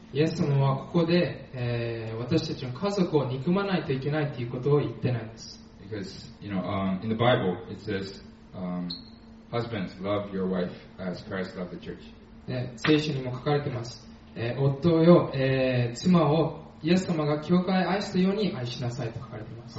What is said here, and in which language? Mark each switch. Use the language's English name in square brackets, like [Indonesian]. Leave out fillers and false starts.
[Japanese] イエス様はここで、私たちの家族を憎まないといけないということを言ってないんです。 [English] Because you know, in the Bible it says, husbands love your wife as Christ loved the church. [Japanese] 聖書にも書かれてます。夫よ、妻をイエス様が教会を愛したように愛しなさいと書かれています。